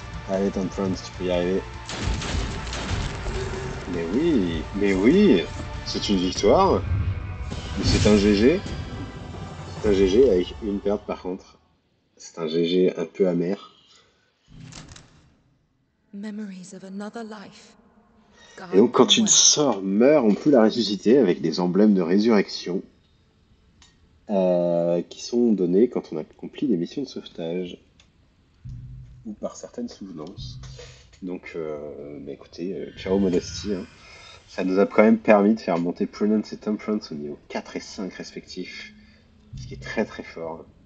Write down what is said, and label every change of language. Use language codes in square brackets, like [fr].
[fr] Allez, ton prince, tu peux y arriver. Mais oui, c'est une victoire. C'est un GG. C'est un GG avec une perte, par contre. C'est un GG un peu amer. [en] Memories of another life. [fr] Et donc quand une sœur meurt, on peut la ressusciter avec des emblèmes de résurrection qui sont donnés quand on accomplit des missions de sauvetage ou par certaines souvenances. Donc mais écoutez, ciao modestie, hein. Ça nous a quand même permis de faire monter Prudence et Temperance au niveau 4 et 5 respectifs, ce qui est très très fort.